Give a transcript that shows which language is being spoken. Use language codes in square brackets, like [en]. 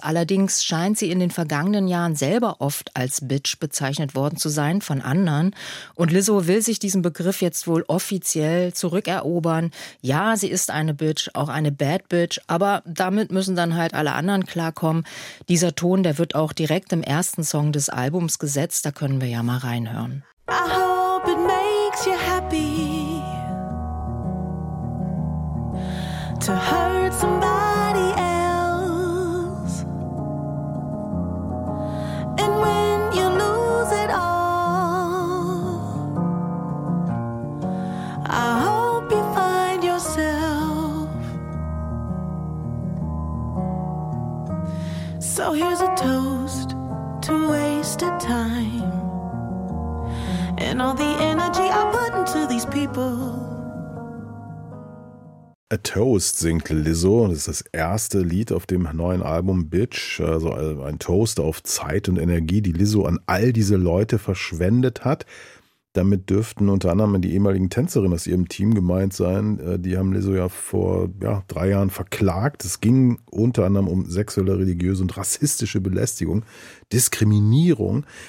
[de] Allerdings scheint sie in den vergangenen Jahren selber oft als Bitch bezeichnet worden zu sein von anderen. Und Lizzo will sich diesen Begriff jetzt wohl offiziell zurückerobern. Ja, sie ist eine Bitch, auch eine Bad Bitch, aber damit müssen dann halt alle anderen klarkommen. Dieser Ton, der wird auch direkt im ersten Song des Albums gesetzt, da können wir ja mal reinhören. [en] I hope it makes you happy to hurt somebody else. And when you lose it all, I hope you find yourself. So here's a toast to wasted time. And all the energy I put into these people. [de] A Toast singt Lizzo. Das ist das erste Lied auf dem neuen Album Bitch. Also ein Toast auf Zeit und Energie, die Lizzo an all diese Leute verschwendet hat. Damit dürften unter anderem die ehemaligen Tänzerinnen aus ihrem Team gemeint sein. Die haben Lizzo ja vor 3 Jahren verklagt. Es ging unter anderem um sexuelle, religiöse und rassistische Belästigung, Diskriminierung.